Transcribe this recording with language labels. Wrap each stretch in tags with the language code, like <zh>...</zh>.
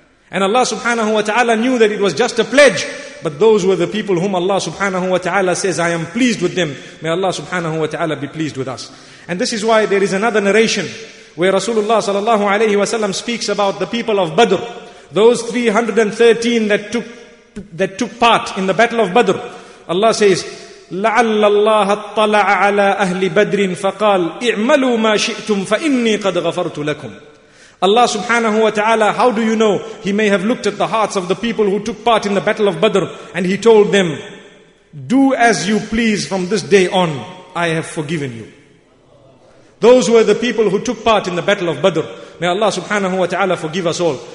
<en>And Allah</en> <ar>subhanahu wa ta'ala</ar> <en>knew that it was just a pledge. But those were the people whom Allah subhanahu wa ta'ala says, I am pleased with them. May Allah</en> <ar>subhanahu wa ta'ala</ar> <en>be pleased with us. And this is why there is another narration where</en> <ar>Rasulullah sallallahu alayhi wa sallam</ar> <en>speaks about the people of Badr. Those 313 that took part in the battle of Badr.</en> <ar>Allah says, لَعَلَّ اللَّهَ اطَّلَعَ عَلَىٰ أَهْلِ بَدْرٍ فَقَالَ اِعْمَلُوا مَا شِئْتُمْ فَإِنِّي قَدْ غَفَرْتُ لَكُمْ.</ar> <en>Allah</en> <ar>subhanahu wa ta'ala,</ar> <en>how do you know? He may have looked at the hearts of the people who took part in the battle of Badr, and he told them, do as you please, from this day on, I have forgiven you. Those were the people who took part in the battle of Badr. May Allah</en> <ar>subhanahu wa ta'ala</ar> <en>forgive us all.</en>